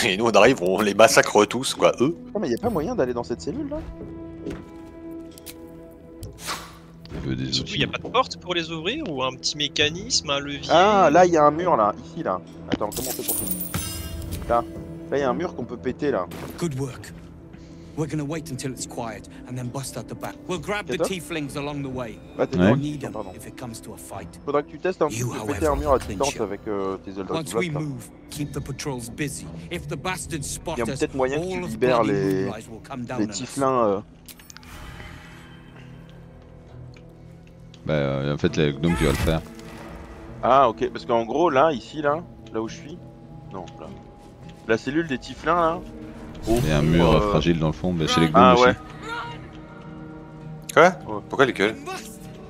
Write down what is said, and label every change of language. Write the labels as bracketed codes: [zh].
[fr] Et nous, on arrive, on les massacre tous, quoi. Eux. Non, mais y'a pas moyen d'aller dans cette cellule là. Le veux des outils. Il n'y a pas de porte pour les ouvrir ou un petit mécanisme, un levier? Ah, là il y a un mur là, ici là. Attends, comment on fait pour ça? Là, là il y a un mur qu'on peut péter là. [en] Good work. We're gonna wait until it's quiet and then bust out the back. We'll grab the tieflings along the way. [fr] Faudrait que tu testes un peu péter un mur à distance avec tes Eldritch Blasts. [en] Once we move, keep the patrols busy. If the bastards spot us, all of the moonrise will come down on us. [fr] Bah en fait, les gnomes qui vont le faire. Ah ok, parce qu'en gros, là, ici, là, là où je suis... Non, là. La cellule des tiflins, là. Il y a un mur fragile dans le fond, mais c'est les gnomes aussi. Quoi ? Pourquoi elle gueule ?